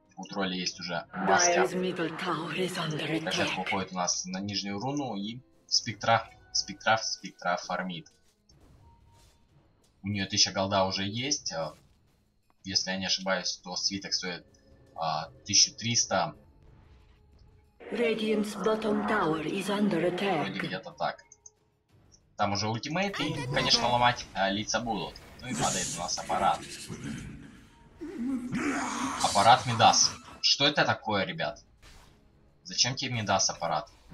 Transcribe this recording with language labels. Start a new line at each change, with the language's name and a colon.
Russian: У тролля есть уже мастер. Сейчас выходит у нас на нижнюю руну и спектра фармит. У нее 1000 голда уже есть. Если я не ошибаюсь, то свиток стоит 1300.
English: Radiant's bottom tower is under attack.
Russian: Вроде где-то так. Там уже ультимейт, и, конечно, ломать лица будут. Ну и падает у нас аппарат. Аппарат Мидас. Что это такое, ребят? Зачем тебе Мидас аппарат?